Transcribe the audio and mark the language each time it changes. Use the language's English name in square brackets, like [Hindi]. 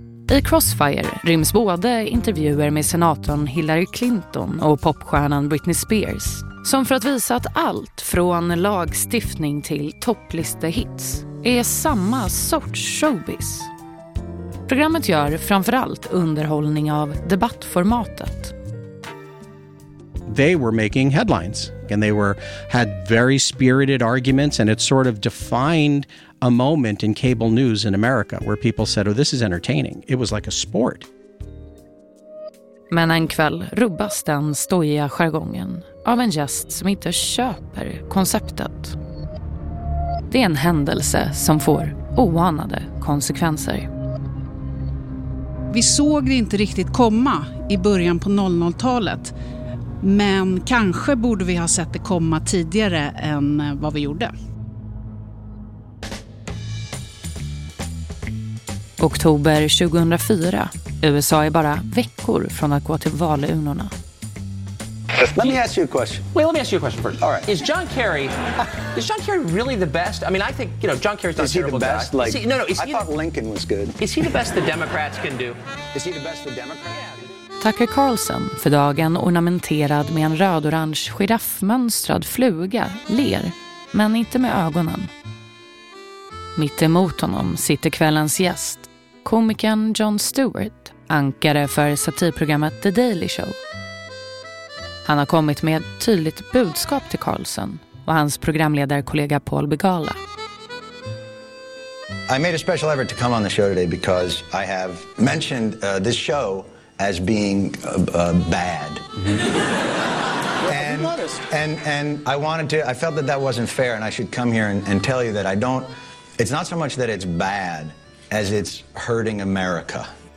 [Swedish] I Crossfire ryms både intervjuer med senatorn Hillary Clinton och popstjärnan Britney Spears, som för att visa att allt från lagstiftning till topplistehits är samma sorts showbiz. Programmet gör framförallt underhållning av debattformatet. They were making headlines and they were had very spirited arguments, and it sort of defined a moment in cable news in America where people said, oh, this is entertaining. It was like a sport. Men en kväll rubbas den stojiga jargongen av en gäst som inte köper konceptet. Det är en händelse som får oanade konsekvenser. Vi såg det inte riktigt komma i början på 00-talet, men kanske borde vi ha sett det komma tidigare än vad vi gjorde. Oktober 2004. USA är bara veckor från att gå till valurnorna. [English] Let me ask you a question. Wait, let me ask you a question first. All right. Is John Kerry really the best? I mean, I think, you know, John Kerry's not a terrible guy. Is he the best? Like, no, no. I thought Lincoln was good. Is he the best the Democrats can do? Is he the best the Democrats? [Swedish] Tucker Carlson, för dagen ornamenterad med en röd-orange giraffmönstrad fluga, ler, men inte med ögonen. Mitt emot honom sitter kvällens gäst, komikern Jon Stewart, ankare för satirprogrammet The Daily Show. Han har kommit med ett tydligt budskap till Carlson och hans programledarkollega Paul Begala. [English] I made a special effort to come on the show today because I have mentioned this show as being bad. And I wanted to, I felt that that wasn't fair, and I should come here and tell you that I don't, it's not so much that it's bad as it's hurting America.